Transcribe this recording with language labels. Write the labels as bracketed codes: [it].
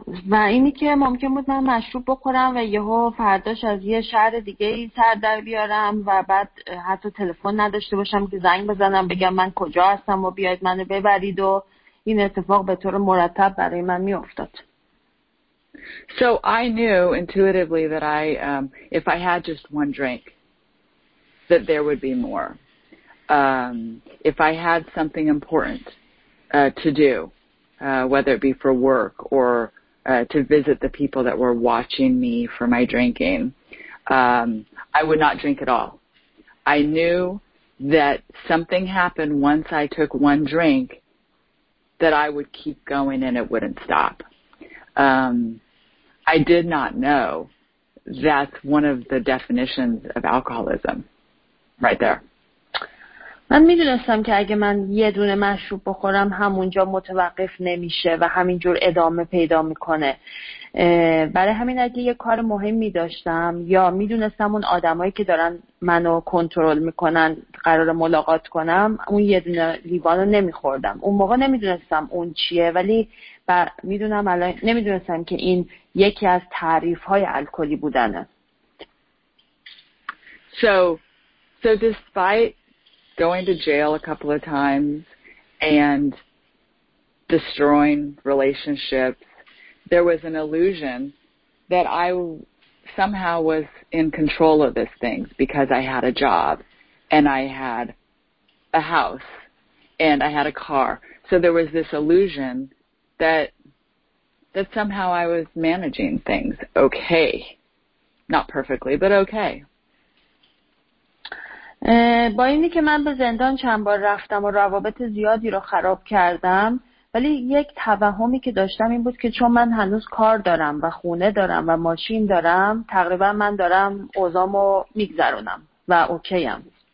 [fa] و اینی که ممکن بود من مشروب بخورم و یهو فرداش از یه شهر دیگه سر در بیارم و بعد حتی تلفن نداشته باشم که زنگ بزنم بگم من کجا هستم و بیاید منو ببرید، و این اتفاق به طور مرتب برای من می افتاد. [en] So I knew intuitively that if I had just one drink, that there would be more. If I had something important to do, whether it be for work or to visit the people that were watching me for my drinking, I would not drink at all. I knew that something happened once I took one drink that I would keep going and it wouldn't stop. I did not know that's one of the definitions of alcoholism right there. [fa] من میدونستم که اگه من یه دونه مشروب بخورم همونجا متوقف نمیشه و همینجور ادامه پیدا میکنه. برای همین اگه یه کار مهم میداشتم یا میدونستم اون آدمایی که دارن منو کنترل میکنن قرار ملاقات کنم، اون یه دونه لیوانو نمیخوردم. اون موقع نمیدونستم اون چیه، ولی میدونم الان نمیدونستم که این یکی از تعریف های الکلی بودنه. [en] So despite going to jail a couple of times and destroying relationships, there was an illusion that I somehow was in control of this thing because I had a job and I had a house and I had a car. So there was this illusion that somehow I was managing things okay. Not perfectly, but okay. [fa] با اینی که من به زندان چند بار رفتم و روابط زیادی رو خراب کردم، ولی یک توهمی که داشتم این بود که چون من هنوز کار دارم و خونه دارم و ماشین دارم، تقریبا من دارم اوضاعمو میگذرونم و اوکی ام.